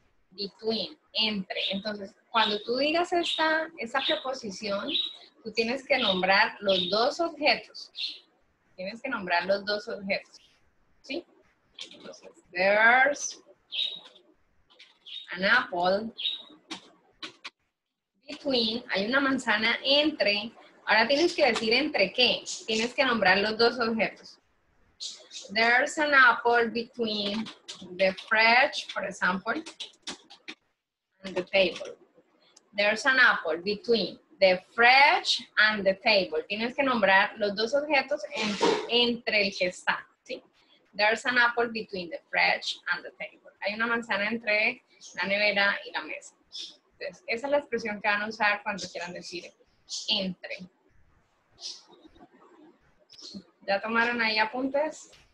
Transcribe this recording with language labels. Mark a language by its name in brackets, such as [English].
[Spanish] Between, entre. Entonces, cuando tú digas esta preposición, tú tienes que nombrar los dos objetos. Tienes que nombrar los dos objetos. ¿sí? Entonces, [English] there's an apple between, [Spanish] hay una manzana entre, ahora tienes que decir entre qué, tienes que nombrar los dos objetos. [English] There's an apple between the fridge, for example, and the table. There's an apple between the fridge and the table. [Spanish] Tienes que nombrar los dos objetos entre el que está, ¿sí? [English] There's an apple between the fridge and the table. [Spanish] Hay una manzana entre la nevera y la mesa. Entonces, esa es la expresión que van a usar cuando quieran decir entre. ¿Ya tomaron ahí apuntes?